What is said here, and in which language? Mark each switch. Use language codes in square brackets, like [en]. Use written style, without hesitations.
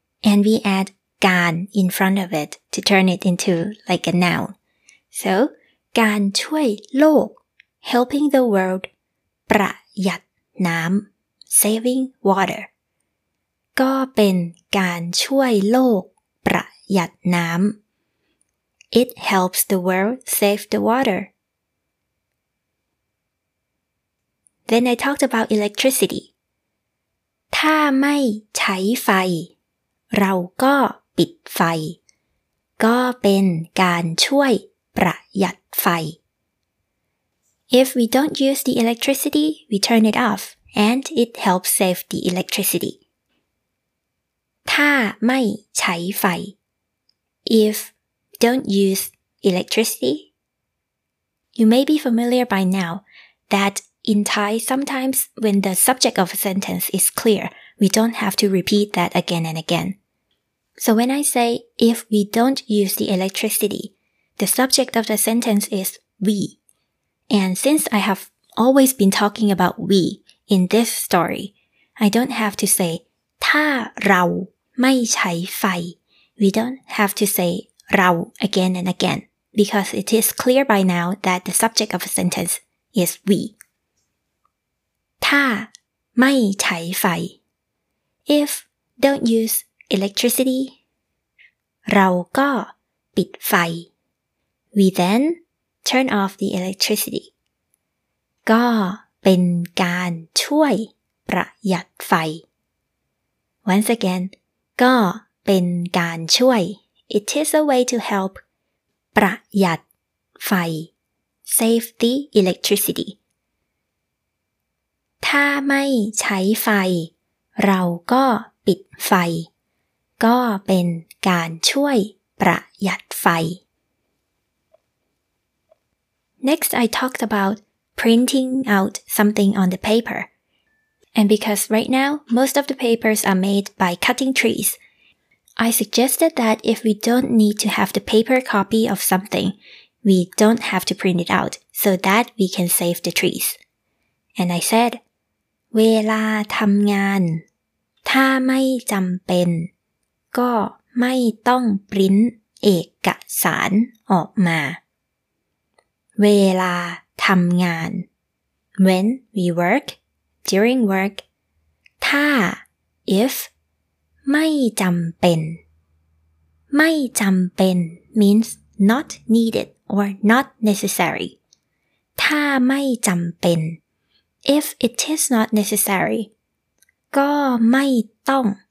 [en] and we add การ in front of it to turn it into like a noun so การช่วยโลก helping the world ประหยัดน้ำ saving water [th] ก็เป็นการช่วยโลกประหยัดน้ำ [en] It helps the world save the water. Then I talked about electricity. [th] ถ้าไม่ใช้ไฟเราก็ปิดไฟก็เป็นการช่วยประหยัดไฟ [en] If we don't use the electricity, we turn it off and it helps save the electricity. [th] ถ้าไม่ใช้ไฟ [en] If don't use electricity, you may be familiar by now that in Thai, sometimes when the subject of a sentence is clear, we don't have to repeat that again and again. So when I say, if we don't use the electricity, the subject of the sentence is we. And since I have always been talking about we in this story, I don't have to say, [th] ถ้าเราไม่ใช้ไฟ [en] We don't have to say เรา again and again because it is clear by now that the subject of a sentence is we. [th] ถ้าไม่ใช้ไฟ [en] If don't use electricity, [th] เราก็ปิดไฟ [en] We then turn off the electricity. [th] ก็เป็นการช่วยประหยัดไฟ [en] Once again, ก็ เป็นการช่วย It is a way to help ประหยัดไฟ Save the electricity [th] ถ้าไม่ใช้ไฟเราก็ปิดไฟก็เป็นการช่วยประหยัดไฟ [en] Next, I talked about printing out something on the paper. And because right now, most of the papers are made by cutting trees, I suggested that if we don't need to have the paper copy of something, we don't have to print it out so that we can save the trees. [th] And I said, เวลาทำงานถ้าไม่จำเป็นก็ไม่ต้องปริ้นเอกสารออกมา [en] เวลาทำงาน when we work during work ถ้า if ไม่จำเป็นไม่จำเป็น means not needed or not necessary [th] ถ้าไม่จำเป็น [en] if it is not necessary ก็ไม่ต้อง